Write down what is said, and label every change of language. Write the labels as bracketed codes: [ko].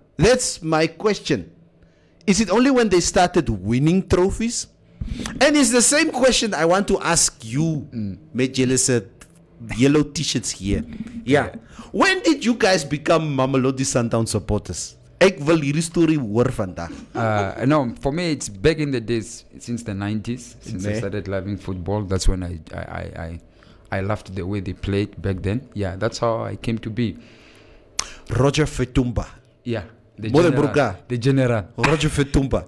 [en] That's my question. Is it only when they started winning trophies? And it's the same question I want to ask you, Majelisat, yellow t-shirts here. Yeah. When did you guys become Mamelodi Sundowns supporters? [af] Ek wil hierdie story hoor vandag. [en] No, for me, it's back in the days, since the 90s, since I started loving football. That's when I loved the way they played back then. Yeah, that's how I came to be. Roger Fetumba. Yeah. The general. Roger Fetumba.